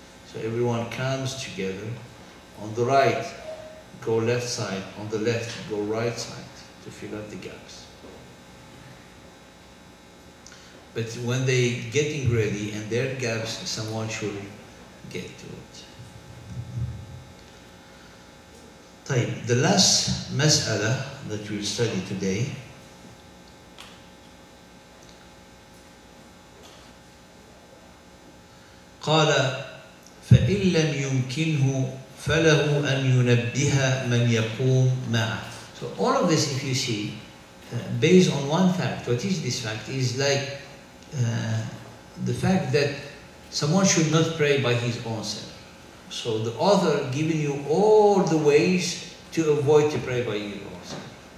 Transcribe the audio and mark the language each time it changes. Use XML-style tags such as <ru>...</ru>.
<en>So everyone comes together, on the right, go left side, on the left, go right side, to fill up the gaps. But when they getting ready and their gaps, someone should get to it. The last mas'ala that we'll study today</en> <ar>قال فإن لم يمكنه فله أن ينبه من يقوم معه.</ar> <en>So all of this, if you see, based on one fact, what is this fact? Is like the fact that someone should not pray by his own self. So the author giving you all the ways to avoid to pray by your own self.</en>